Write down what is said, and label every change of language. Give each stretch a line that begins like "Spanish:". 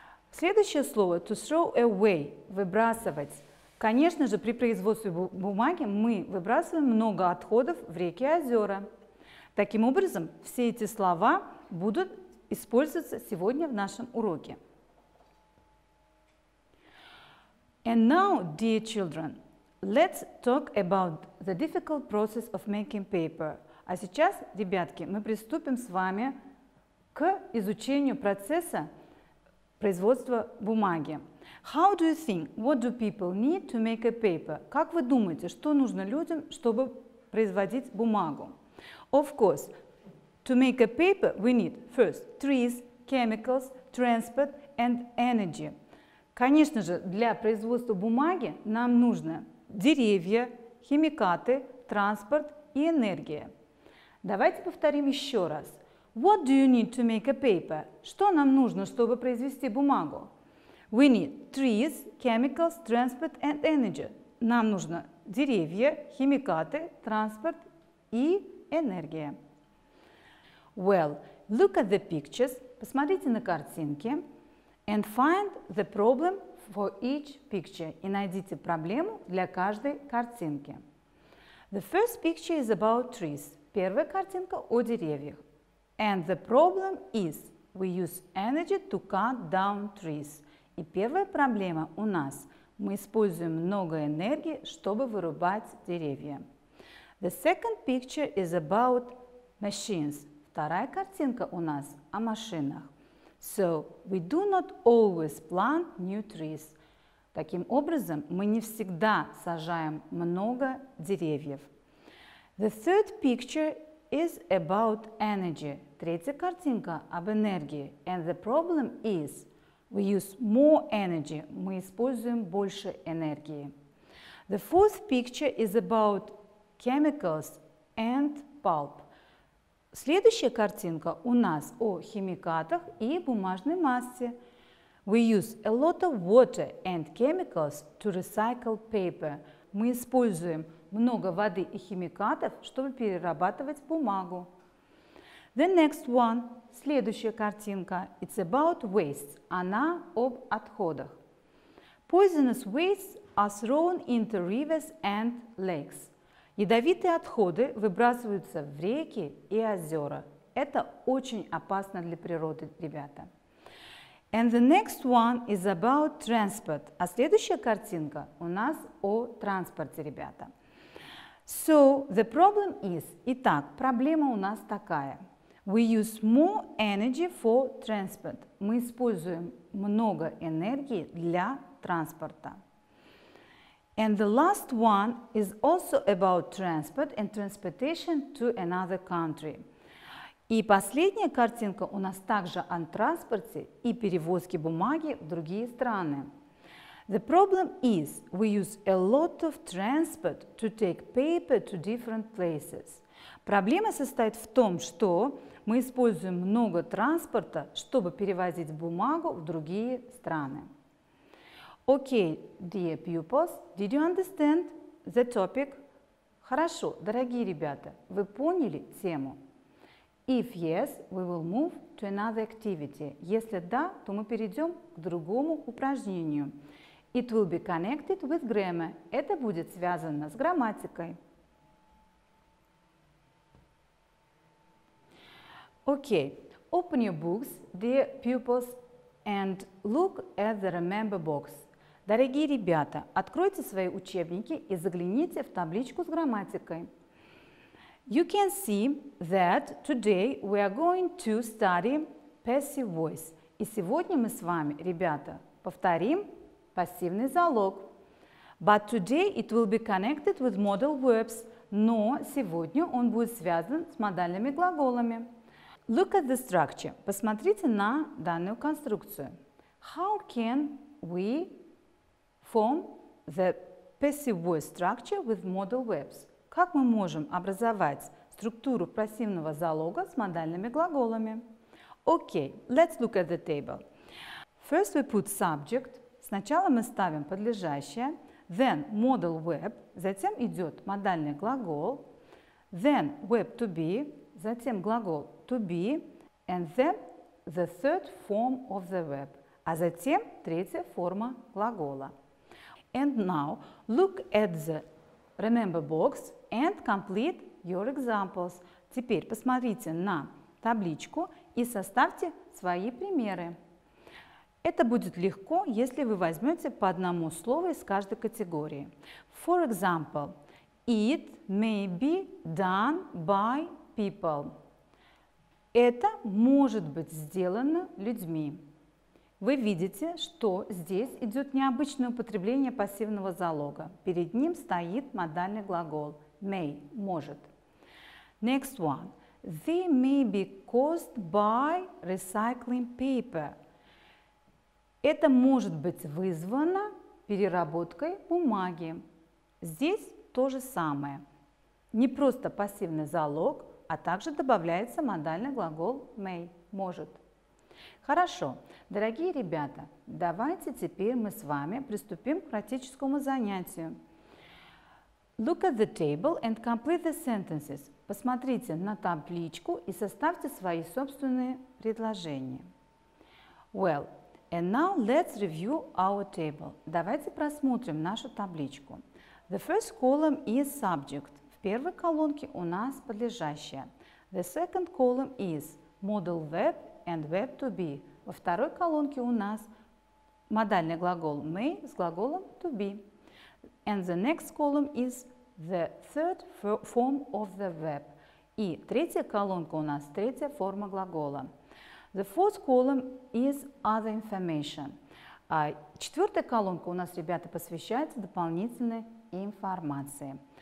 Russian: Следующее слово –
English: to throw away
Russian: – выбрасывать. Конечно же, при производстве бумаги мы выбрасываем много отходов в реки и озера. Таким образом, все эти слова будут использоваться сегодня в нашем уроке.
English: And now, dear children, let's talk about the difficult process of making paper.
Russian: А сейчас, ребятки, мы приступим с вами к изучению процесса производства бумаги.
English: How do you think? What do people need to make a paper?
Russian: Как вы думаете, что нужно людям, чтобы производить бумагу?
English: Of course, to make a paper, we need first trees, chemicals, transport and energy.
Russian: Конечно же, для производства бумаги нам нужны деревья, химикаты, транспорт и энергия. Давайте повторим еще раз.
English: What do you need to make a paper?
Russian: Что нам нужно, чтобы произвести бумагу?
English: We need trees, chemicals, transport and energy.
Russian: Нам нужно деревья, химикаты, транспорт и энергия.
English: Well, look at the pictures.
Russian: Посмотрите на картинки.
English: And find the problem for each picture.
Russian: И найдите проблему для каждой картинки.
English: The first picture is about trees.
Russian: Первая картинка о деревьях.
English: And the problem is we use energy to cut down trees.
Russian: И первая проблема у нас. Мы используем много энергии, чтобы вырубать деревья.
English: The second picture is about machines.
Russian: Вторая картинка у нас о машинах.
English: So we do not always plant new trees.
Russian: Таким образом, мы не всегда сажаем много деревьев.
English: The third picture is about energy.
Russian: Третья картинка об энергии.
English: And the problem is we use more energy.
Russian: Мы используем больше энергии.
English: The fourth picture is about chemicals and pulp.
Russian: Следующая картинка у нас о химикатах и бумажной массе.
English: We use a lot of water and chemicals to recycle paper.
Russian: Мы используем много воды и химикатов, чтобы перерабатывать бумагу.
English: The next one,
Russian: следующая картинка,
English: it's about waste.
Russian: Она об отходах.
English: Poisonous waste are thrown into rivers and lakes.
Russian: Ядовитые отходы выбрасываются в реки и озера. Это очень опасно для природы, ребята.
English: And the next one is about transport.
Russian: А следующая картинка у нас о транспорте, ребята.
English: So, the problem is...
Russian: Итак, проблема у нас такая.
English: We use more energy for transport.
Russian: Мы используем много энергии для транспорта.
English: And the last one is also about transport and transportation to another country.
Russian: И последняя картинка у нас также о транспорте и перевозке бумаги в другие страны.
English: The problem is we use a lot of transport to take paper to different places.
Russian: Проблема состоит в том, что мы используем много транспорта, чтобы перевозить бумагу в другие страны.
English: Окей, dear pupils, did you understand the topic?
Russian: Хорошо, дорогие ребята, вы поняли тему?
English: If yes, we will move to another activity.
Russian: Если да, то мы перейдем к другому упражнению.
English: It will be connected with grammar.
Russian: Это будет связано с грамматикой.
English: Окей, open your books, dear pupils, and look at the remember box.
Russian: Дорогие ребята, откройте свои учебники и загляните в табличку с грамматикой.
English: You can see that today we are going to study passive voice.
Russian: И сегодня мы с вами, ребята, повторим пассивный залог.
English: But today it will be connected with modal verbs.
Russian: Но сегодня он будет связан с модальными глаголами.
English: Look at the structure.
Russian: Посмотрите на данную конструкцию.
English: How can we form the passive voice structure with modal verbs?
Russian: Как мы можем образовать структуру пассивного залога с модальными глаголами?
English: Окей, let's look at the table. First we put subject.
Russian: Сначала мы ставим подлежащее.
English: Then modal verb.
Russian: Затем идет модальный глагол.
English: Then verb to be.
Russian: Затем глагол
English: to be. And then the third form of the verb.
Russian: А затем третья форма глагола.
English: And now look at the remember box and complete your examples.
Russian: Теперь посмотрите на табличку и составьте свои примеры. Это будет легко, если вы возьмете по одному слову из каждой категории.
English: For example, It may be done by people.
Russian: Это может быть сделано людьми. Вы видите, что здесь идет необычное употребление пассивного залога. Перед ним стоит модальный глагол may – может.
English: Next one. They may be caused by recycling paper.
Russian: Это может быть вызвано переработкой бумаги. Здесь то же самое. Не просто пассивный залог, а также добавляется модальный глагол may – может. Хорошо, дорогие ребята, давайте теперь мы с вами приступим к практическому занятию.
English: Look at the table and complete the sentences.
Russian: Посмотрите на табличку и составьте свои собственные предложения.
English: Well, and now let's review our table.
Russian: Давайте просмотрим нашу табличку.
English: The first column is subject.
Russian: В первой колонке у нас подлежащее.
English: The second column is modal verb and verb to be.
Russian: Во второй колонке у нас модальный глагол may с глаголом to be.
English: And the next column is the third form of the verb.
Russian: И третья колонка у нас третья форма глагола.
English: The fourth column is other information.
Russian: А четвертая колонка у нас, ребята, посвящается дополнительной информации.